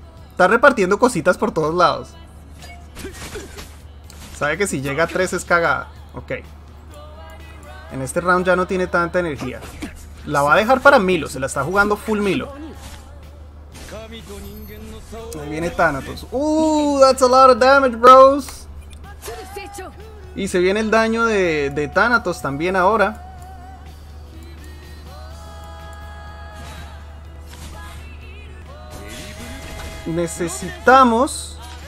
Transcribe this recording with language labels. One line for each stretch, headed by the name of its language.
Spanish: Está repartiendo cositas por todos lados. Sabe que si llega a 3 es cagada. Ok. En este round ya no tiene tanta energía. La va a dejar para Milo. Se la está jugando full Milo. Ahí viene Thanatos.
English: That's a lot of damage, bros.
Spanish: Y se viene el daño de Thanatos también ahora. Necesitamos...